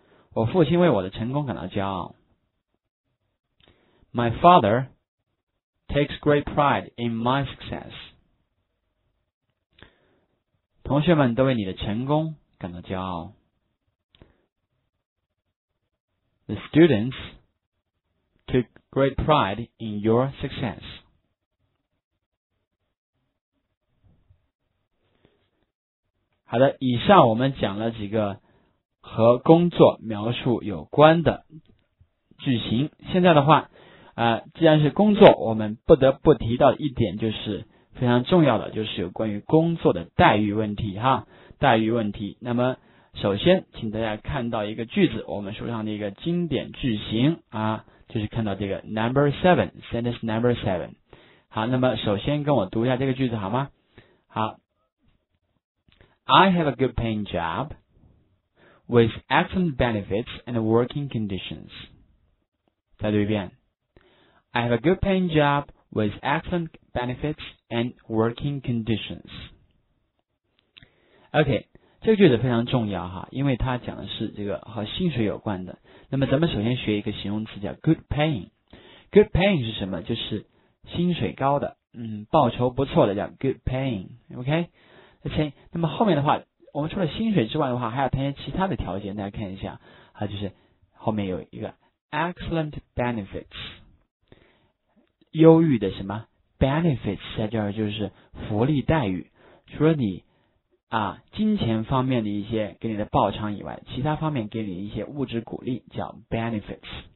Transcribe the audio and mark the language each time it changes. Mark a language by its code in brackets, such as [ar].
[zh] 我父亲为我的成功感到骄傲。 [en] My father takes great pride in my success. [zh] 同学们都为你的成功感到骄傲。 [en] The students took great pride in your success. [zh] 好的，以上我们讲了几个和工作描述有关的句型。现在的话既然是工作，我们不得不提到一点，就是非常重要的，就是有关于工作的待遇问题哈，待遇问题。那么首先请大家看到一个句子，我们书上的一个经典句型啊，就是看到这个 [en] number seven, sentence number seven。 [zh] 好，那么首先跟我读一下这个句子好吗？ [en] 好，I have a good paying job with excellent benefits and working conditions。 [zh] 再读一遍， [en] I have a good paying job with excellent benefits and working conditions。 [zh] OK，这个句子非常重要哈，因为它讲的是这个和薪水有关的。那么咱们首先学一个形容词叫 good paying。Good paying 是什么？就是薪水高的，报酬不错的叫 good paying。 OK，那么后面的话，我们除了薪水之外的话，还要谈一些其他的条件。大家看一下啊，就是后面有一个 excellent benefits，优异的什么 benefits，再加上就是福利待遇，除了你金钱方面的一些给你的报偿以外，其他方面给你一些物质鼓励叫 benefits。